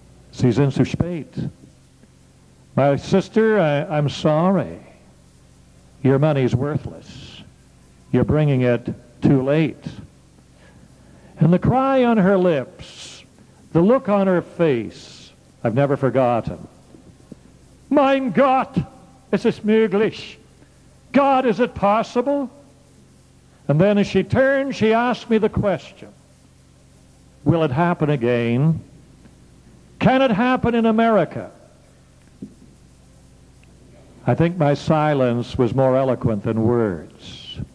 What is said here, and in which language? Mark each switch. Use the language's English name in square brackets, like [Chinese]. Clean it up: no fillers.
[German] Sie sind zu spät. [English] My sister, I'm sorry. Your money's worthless. You're bringing it too late. And the cry on her lips, the look on her face, I've never forgotten. [German] Mein Gott, es ist möglich. [English] God, is it possible? And then as she turned, she asked me the question. Will it happen again? Can it happen in America? I think my silence was more eloquent than words.